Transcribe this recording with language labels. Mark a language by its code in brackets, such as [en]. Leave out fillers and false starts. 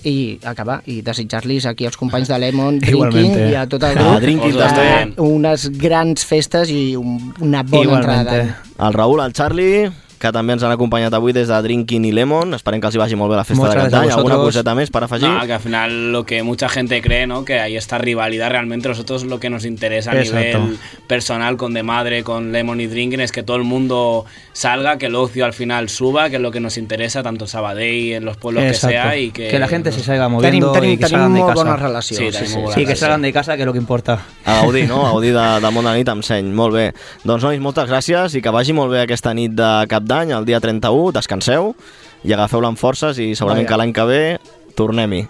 [ca] I acabar, i desitjar-los aquí als companys de Lemon, Drinking, i a tot el grup, unes grans festes i una bona entrada. El Raúl, el Charlie, que també ens han acompanyat avui des de Drinking i Lemon. Esperem que els hi vagi molt bé la festa de cap d'any. Alguna coseta més per afegir? [es] No, que al final lo que mucha gente cree, ¿no?, que hay esta rivalidad, realmente nosotros lo que nos interesa a nivel personal con De Madre, con Lemon y Drinking, es que todo el mundo salga, que el ocio al final suba, que es lo que nos interesa tanto en Sabadell, en los pueblos que sea, y que la gente se salga moviendo [ca] tenim, [es] y que salgan de casa. [ca] Tenim bona relació. Sí, [es] que salgan de casa, [ca] que és el que importa. A gaudir, no? A gaudir de molt de nit amb seny. Molt bé. Doncs, nois, moltes gràcies i que vagi molt bé aquesta nit de cap d'any, el dia 31, descanseu i agafeu-la amb forces i segurament que l'any que ve tornem-hi.